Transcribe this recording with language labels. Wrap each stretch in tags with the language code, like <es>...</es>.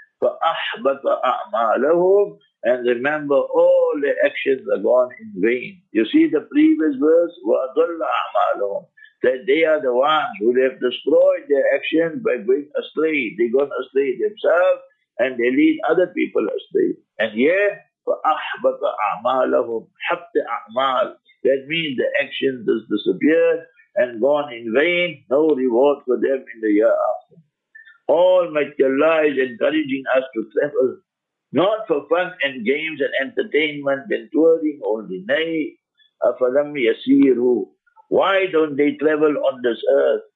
<ar>فَأَحْبَطَ أَعْمَالَهُمْ.</ar> <en>And remember, all the actions are gone in vain. You see the previous verse,</en> <ar>وَأَضَلَّ أَعْمَالَهُمْ.</ar> <en>That they are the ones who have destroyed their actions by going astray. They gone astray themselves and they lead other people astray.</en> <ar>And here, فَأَحْبَطَ أَعْمَالَهُمْ حَبْتَ أَعْمَالَ.</ar> <en>That means the action has disappeared and gone in vain, no reward for them in the year after. Almighty Allah is encouraging us to travel, not for fun and games and entertainment and touring only. Nay,</en> <ar>afalam yasiru.</ar> <en>Why don't they travel on this earth?</en>